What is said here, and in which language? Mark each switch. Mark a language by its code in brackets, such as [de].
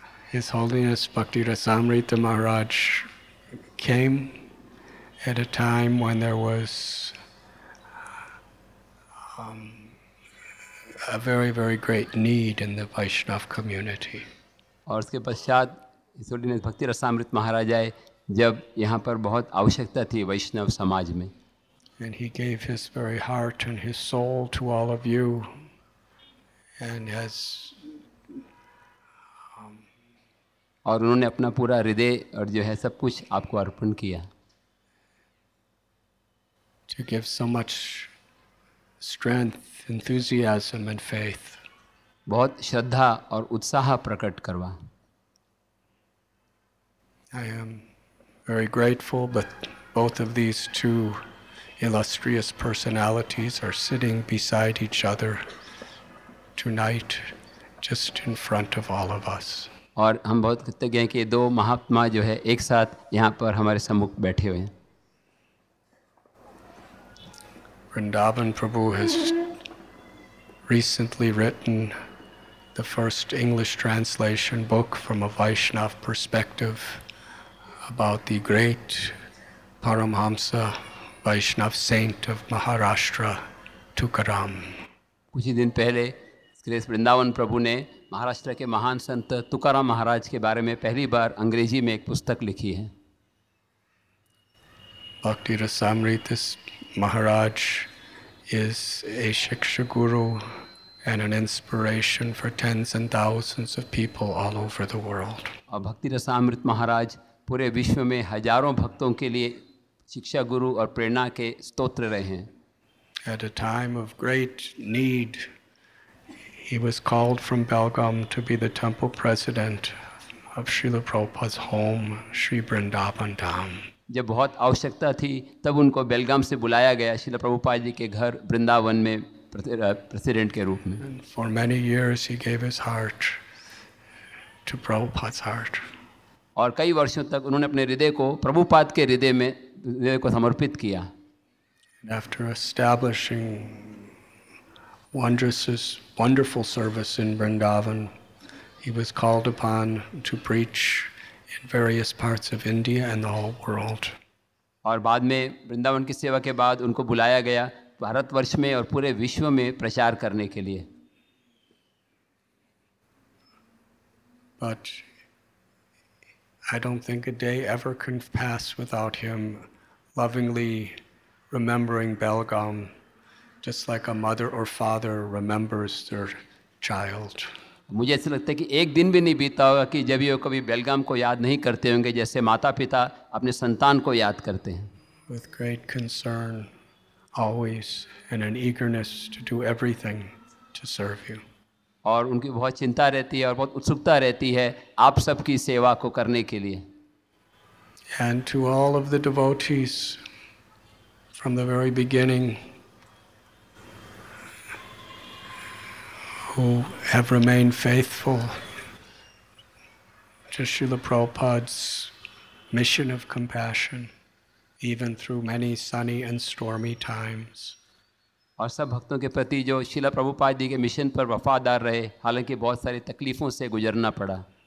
[en] His Holiness Bhakti Rasamrita Maharaj came at a time when there was a very, very great need in the Vaishnav community. [hi] और उसके पश्चात इसलिए भक्ति रसामृत महाराज आए जब यहाँ पर बहुत आवश्यकता थी वैष्णव समाज में. [en] And he gave his very heart and his soul to all of you, and has. [hi] और उन्होंने अपना पूरा हृदय और जो है सब कुछ आपको अर्पण किया. [en] To give so much strength, enthusiasm, and faith. [hi] बहुत श्रद्धा और उत्साह प्रकट करवा. [en] I am very grateful, but both of these two illustrious personalities are sitting beside each other tonight, just in front of all of us. [hi] और हम बहुत कृतज्ञ हैं कि दो महात्मा जो है एक साथ यहाँ पर हमारे सम्मुख बैठे हुए हैं. [en] Vrindavan Prabhu has recently written the first English translation book from a Vaishnav perspective about the great Paramhamsa Vaishnav saint of Maharashtra, Tukaram. [hi] कुछ दिन पहले श्री वृंदावन प्रभु ने महाराष्ट्र के महान संत तुकाराम महाराज के बारे में पहली बार अंग्रेजी में एक पुस्तक लिखी है. [en] Bhakti Rasamrita Maharaj is a Shiksha Guru and an inspiration for tens and thousands of people all over the world. [hi] और भक्ति रसामृत महाराज पूरे विश्व में हजारों भक्तों के लिए शिक्षा गुरु और प्रेरणा के स्तोत्र रहे हैं. [en] At a time of great need, he was called from Belgaum to be the temple president of Srila Prabhupada's home, Sri Vrindavan Dham. [hi] जब बहुत आवश्यकता थी तब उनको बेलगाम से बुलाया गया श्रील प्रभुपाद जी के घर वृंदावन में प्रेसिडेंट के रूप में. [en] For many years he gave his heart to Prabhupada's heart. [hi] और कई वर्षों तक उन्होंने अपने हृदय को प्रभुपाद के हृदय को समर्पित किया. [en] After establishing wondrous wonderful service in Vrindavan he was called upon to preach in various parts of India and the whole world. [hi] और बाद में वृंदावन की सेवा के बाद उनको बुलाया गया भारतवर्ष में और पूरे विश्व में प्रचार करने के लिए. [en] But I don't think a day ever can pass without him lovingly remembering Belgaum, just like a mother or father remembers their child. [hi] मुझे ऐसा लगता है कि एक दिन भी नहीं बीता होगा कि जब ये कभी बेलगाम को याद नहीं करते होंगे जैसे माता पिता अपने संतान को याद करते हैं. [en] With great concern, always, and an eagerness to do everything to serve you. [hi] और उनकी बहुत चिंता रहती है और बहुत उत्सुकता रहती है आप सबकी सेवा को करने के लिए. [en] And to all of the devotees, from the very beginning, who have remained faithful to Srila Prabhupada's mission of compassion, even through many sunny and stormy times. [hi] और सब भक्तों के प्रति जो श्रील प्रभुपाद जी के मिशन पर वफादार रहे हालांकि बहुत सारी तकलीफों से गुजरना पड़ा.